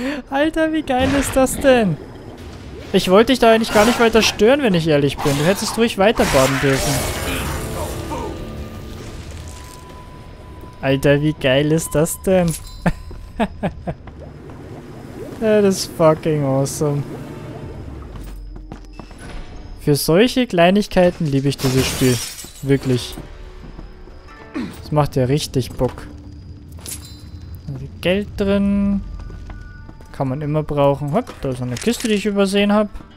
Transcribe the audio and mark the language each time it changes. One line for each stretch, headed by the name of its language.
German: Alter, wie geil ist das denn? Ich wollte dich da eigentlich gar nicht weiter stören, wenn ich ehrlich bin. Du hättest ruhig weiter baden dürfen. Alter, wie geil ist das denn?
English: That is fucking awesome.
German: Für solche Kleinigkeiten liebe ich dieses Spiel. Wirklich. Das macht ja richtig Bock. Geld drin. Kann man immer brauchen. Hopp, da ist eine Kiste, die ich übersehen habe.